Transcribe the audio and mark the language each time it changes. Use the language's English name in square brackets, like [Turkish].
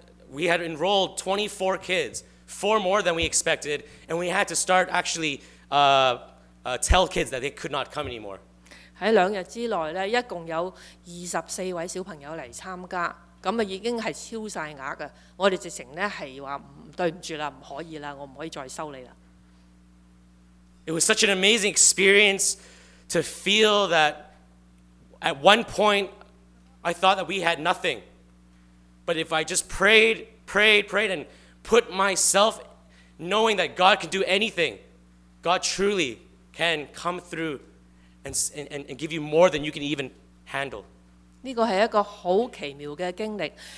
[English] We had enrolled 24 kids, 4 more than we expected, and we had to start actually tell kids that they could not come anymore. [Cantonese] 在兩日之內咧，一共有24位小朋友嚟參加，咁啊已經係超曬額嘅。我哋直情咧係話唔對唔住啦，唔可以啦，我唔可以再收你啦。 [English] It was such an amazing experience to feel that at one point I thought that we had nothing, but if I just prayed, and put myself knowing that God can do anything, God truly can come through. And give you more than you can even handle. [Cantonese] 呢個係一個好奇妙嘅經歷。